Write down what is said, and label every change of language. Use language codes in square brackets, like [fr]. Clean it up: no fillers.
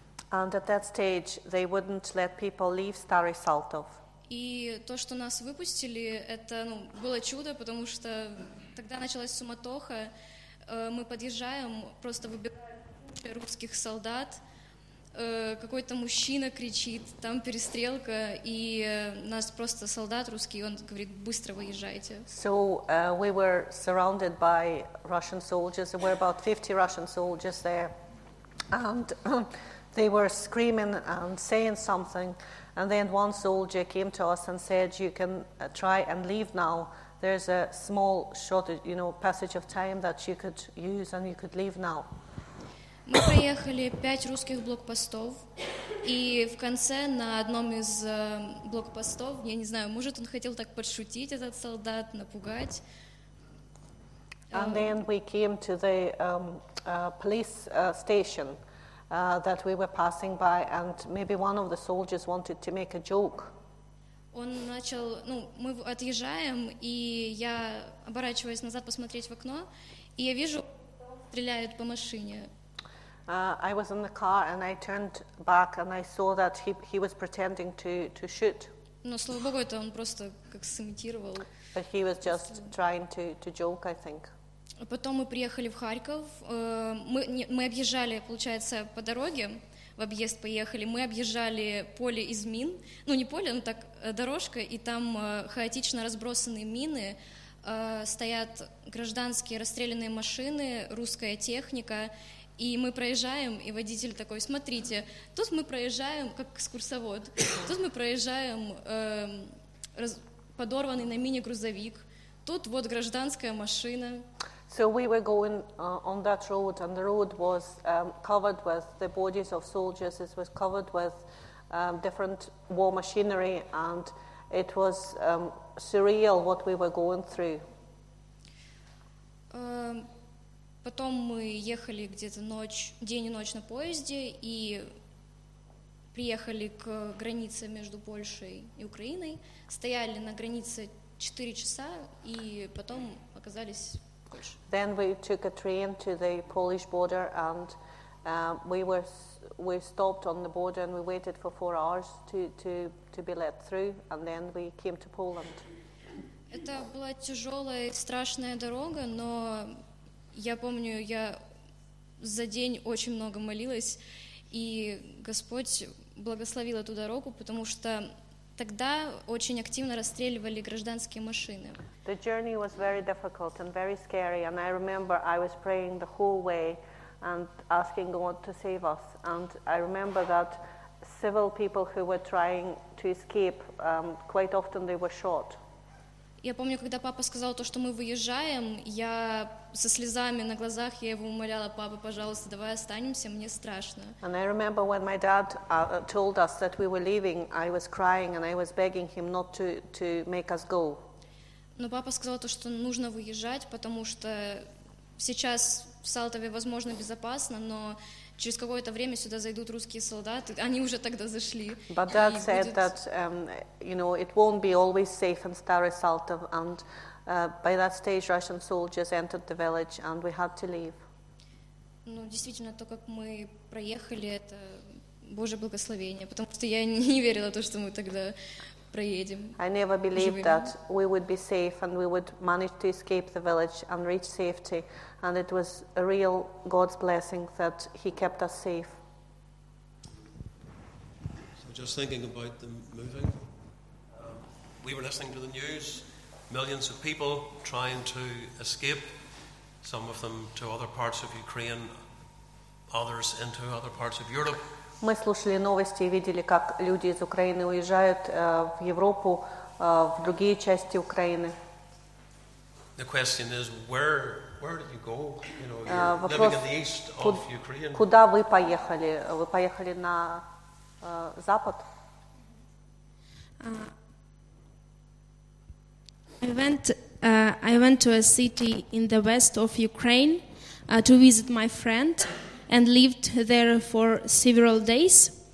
[en] And at that stage, they wouldn't let people leave Stary Saltov. [ru] И то, что нас выпустили, это, ну, было чудо, потому что тогда началась суматоха. Мы подъезжаем, просто выбегаем русских солдат. Какой-то мужчина кричит, там перестрелка, и нас просто солдат русский, он говорит: быстро выезжайте. [en] So we were surrounded by Russian soldiers. There were about 50 Russian soldiers there, and they were screaming and saying something. And then one soldier came to us and said, "You can try and leave now. There's a small shortage, you know, passage of time that you could use, and you could leave now." [ru] Мы проехали 5 русских блокпостов, и в конце на одном из блокпостов, я не знаю, может, он хотел так подшутить, этот солдат, напугать. [en] And then we came to the police station that we were passing by, and maybe one of the soldiers wanted to make a joke. [ru] Он начал, ну, мы отъезжаем, и я оборачиваюсь назад посмотреть в окно, и я вижу, стреляют по машине. [en] I was in the car and I turned back and I saw that he was pretending to shoot. [ru] Но слава богу, это он просто как сымитировал. [en] But he was just trying to joke, I think. [ru] А потом мы приехали в Харьков. Мы объезжали, получается, по дороге в объезд поехали. Мы объезжали поле из мин. Ну не поле, но так дорожка, и там хаотично разбросаны мины. Стоят гражданские расстрелянные машины, русская техника. И мы проезжаем, и водитель такой: смотрите, тут мы проезжаем, как экскурсовод, тут мы проезжаем подорванный на мине грузовик, тут вот гражданская машина. [en] So we were going on that road, and the road was covered with the bodies of soldiers, it was covered with different war machinery, and it was surreal what we were going through. [ru] Потом мы ехали где-то ночь, день и ночь на поезде и приехали к границе между Польшей и Украиной. Стояли на границе 4 часа и потом оказались в Польше. [en] Then we took a train to the Polish border and we stopped on the border and we waited for 4 hours to be let through, and then we came to Poland. [ru] Это была тяжелая и страшная дорога, но я помню, я за день очень много молилась, и Господь благословил эту дорогу, потому что тогда очень активно расстреливали гражданские машины. [en] The journey was very difficult and very scary, and I remember I was praying the whole way and asking God to save us. And I remember that civil people who were trying to escape, quite often they were shot. [ru] Я помню, когда папа сказал то, что мы выезжаем, я со слезами на глазах, я его умоляла: папа, пожалуйста, давай останемся, мне страшно. [en] And I remember when my dad told us that we were leaving, I was crying and I was begging him not to make us go. [ru] Но папа сказал то, что нужно выезжать, потому что сейчас в Салтове, возможно, безопасно, но через какое-то время сюда зайдут русские солдаты, они уже тогда зашли. [en] But dad said that, you know, it won't be always safe in Stary Saltov, and by that stage Russian soldiers entered the village, and we had to leave. [ru] Ну, действительно, то, как мы проехали, это Божье благословение, потому что я не верила то, что мы тогда проедем. [en] I never believed that we would be safe and we would manage to escape the village and reach safety. And it was a real God's blessing that he kept us safe. So just thinking about the moving. We were listening to the news. Millions of people trying to escape. Some of them to other parts of Ukraine. Others into other parts of Europe. [ru] Мы слушали новости и видели, как люди из Украины уезжают в Европу, в другие части Украины. [en] The question is, where did you go? You know, you're living in the east of Ukraine. [ru] Куда вы поехали? Вы поехали на запад? [en] I went to a city in the west of Ukraine to visit my friend, and lived there for several days.